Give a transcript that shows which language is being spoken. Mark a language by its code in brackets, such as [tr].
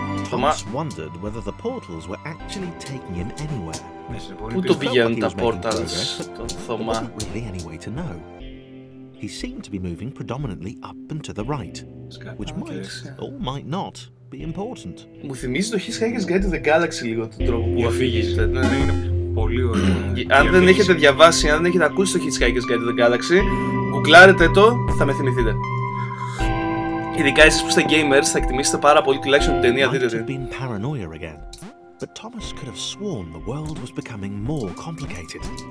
[en] Thomas wondered whether the portals were actually taking him anywhere. [el] Πού το πηγαίνουν τα πόρταλς, τον Θωμά. [en] There wasn't really any way to know. He seemed to be moving predominantly up and to the right, which might or might not be important. [el] Μου θυμίζει το Hitchhiker's Guide to the Galaxy λίγο τον τρόπο που αφήγεται. Είναι πολύ ωραίο. Αν δεν έχετε διαβάσει, αν δεν έχετε ακούσει το Hitchhiker's Guide to the Galaxy, γκουγκλάρετε το, θα με θυμηθείτε. Ειδικά εσείς που είστε gamers, θα εκτιμήσετε πάρα πολύ τουλάχιστον την ταινία, δείτε την. [en] Been paranoia again, but Thomas could have sworn the world was becoming more complicated.